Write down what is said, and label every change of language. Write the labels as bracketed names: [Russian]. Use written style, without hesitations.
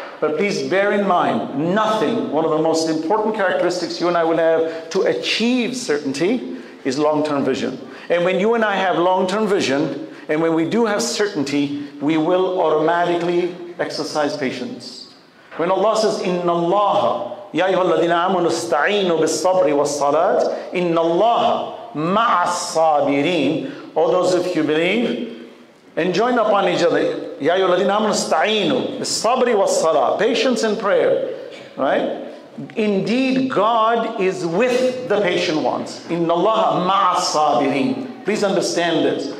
[English] But please bear in mind, nothing, one of the most important characteristics you and I will have to achieve certainty is long-term vision. And when you and I have long-term vision, and when we do have certainty, we will automatically exercise patience. When Allah says, [Arabic] إِنَّ اللَّهَ يَا أَيُّهَا الَّذِينَ آمَنُوا اسْتَعِينُوا بِالصَّبْرِ وَالصَّلَاةِ إِنَّ اللَّهَ مَعَ الصَّابِرِينَ. [English] All those of you believe, and join upon each other. [Arabic] Ya ayyuhalladhina amanu ista'inu bis-sabri was-salah. [English] Patience and prayer. Right? Indeed, God is with the patient ones. [Arabic] Innallaha ma'as-sabirin. [English] Please understand this.